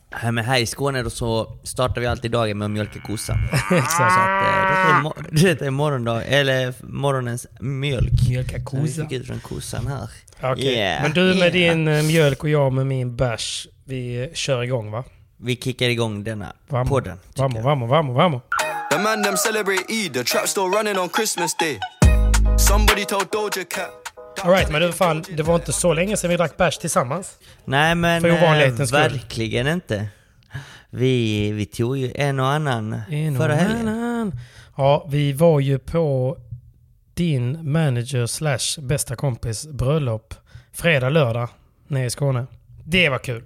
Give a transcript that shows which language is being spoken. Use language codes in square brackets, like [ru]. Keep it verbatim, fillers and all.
[sv] Ja, men här i Skåne då så startar vi alltid dagen med att mjölka kossan. Exakt. Så att, det är, mor- är morgondag, eller morgonens mjölk. Mjölka kossan. Vi fick ut från kossan här. Okay. Yeah. Men du med yeah. din mjölk och jag med min bärs, vi kör igång va? Vi kickar igång denna vamo. Podden. Vamo, vamo, vamo, vamo. [en] The man them celebrate Eid, the trap store running on Christmas day. Somebody told Doja Cat. [sv] All right, men det var, fan, det var inte så länge sedan vi drack bärs tillsammans. Nej, men eh, verkligen inte. Vi, vi tog ju en och annan en förra helgen. Ja, vi var ju på din manager slash bästa kompis bröllop fredag, lördag nere i Skåne. Det var kul.